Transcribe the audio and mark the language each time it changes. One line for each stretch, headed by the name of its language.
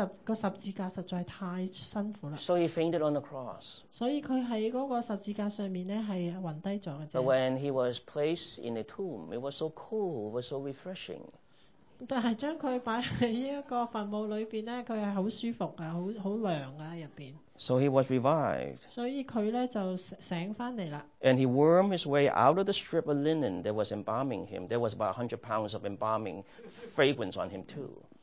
Chinese: 那些十字架实在太辛苦了。
English: So he fainted on the cross.
Chinese: 所以他在那个十字架上是晕低了。
English: But when he was placed in a tomb, it was so cool, it was so refreshing.
Chinese: 但是将他放在这个坟墓里面,他是很舒服的,很凉的,里面。
English: So he was revived.
Chinese: 所以他就醒回来了。
English: And he wormed his way out of the strip of linen that was embalming him. There was about 100 pounds of embalming fragrance on him too.